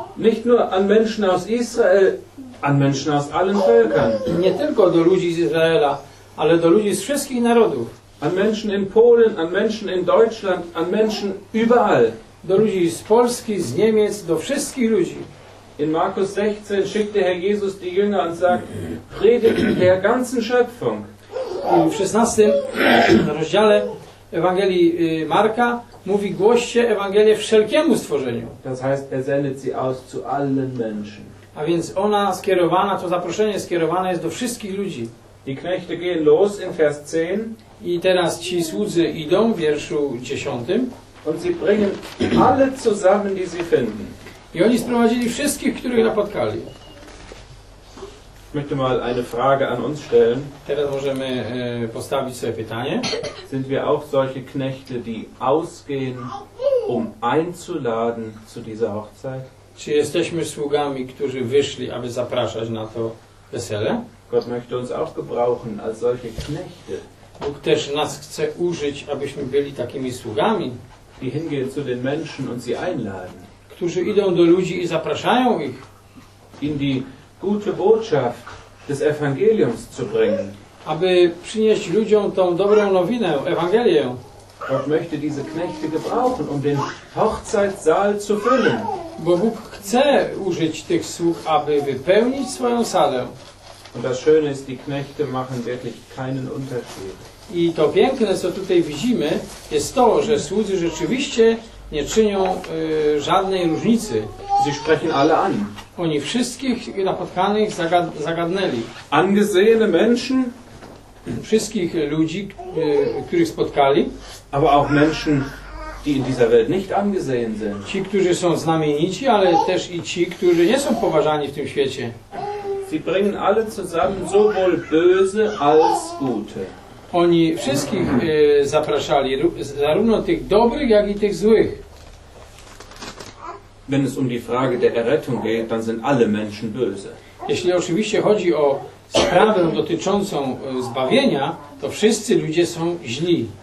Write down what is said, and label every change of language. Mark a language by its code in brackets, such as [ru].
[de] Nicht nur an Menschen aus Israel, an Menschen aus allen Völkern. [pl] Nie tylko do ludzi z Izraela, ale do ludzi z wszystkich narodów. [de] An Menschen in Polen, an Menschen in Deutschland, an Menschen überall. [pl] Do ludzi z Polski, z Niemiec, do wszystkich ludzi. [de] In Markus 16 schickt der Herr Jesus die Jünger und sagt: Predigt der ganzen Schöpfung. [pl] W 16 rozdziale Ewangelii Marka mówi: głoście Ewangelię wszelkiemu stworzeniu. [de] Das heißt, er sendet sie aus zu allen Menschen. [pl] A więc ona skierowana, to zaproszenie skierowane jest do wszystkich ludzi. [de] Die Knechte gehen los in Vers 10. [pl] I teraz ci słudzy idą w wierszu 10. [de] Und sie bringen alle zusammen, die sie finden. [pl] I oni sprowadzili wszystkich, których napotkali. [de] Ich möchte mal eine Frage an uns stellen. [pl] Teraz możemy postawić sobie pytanie. [de] Sind wir auch solche Knechte, die ausgehen, um einzuladen zu dieser Hochzeit? [pl] Czy jesteśmy sługami, którzy wyszli, aby zapraszać na to wesele? [de] Gott möchte uns auch gebrauchen als solche Knechte. [pl] Bóg też nas chce użyć, abyśmy byli takimi sługami, [de] die hingehen zu den Menschen und sie einladen. [pl] Którzy idą do ludzi i zapraszają ich, [de] in die gute Botschaft des Evangeliums zu bringen. [pl] Aby przynieść ludziom tą dobrą nowinę, Ewangelię. [de] Gott möchte diese Knechte gebrauchen, um den Hochzeitssaal zu füllen. [pl] Bo Bóg chce użyć tych sług, aby wypełnić swoją salę. [de] Und das Schöne ist, die Knechte machen wirklich keinen Unterschied. [pl] I to piękne, co tutaj widzimy, jest to, że słudzy rzeczywiście nie czynią żadnej różnicy. [de] Sie sprechen alle an. [pl] Oni wszystkich napotkanych zagadnęli. [de] Angesehene Menschen. [pl] Wszystkich ludzi, których spotkali. [de] Aber auch Menschen, die in dieser Welt nicht angesehen sind. [pl] Ci, którzy są znamienici, ale też i ci, którzy nie są poważani w tym świecie. [de] Sie bringen alle zusammen, sowohl böse als gute. [pl] Oni wszystkich zapraszali, zarówno tych dobrych, jak i tych złych. [de] Wenn es die Frage der Errettung geht, dann sind alle Menschen böse. [pl] Jeśli oczywiście chodzi o sprawę dotyczącą zbawienia, to wszyscy ludzie są źli.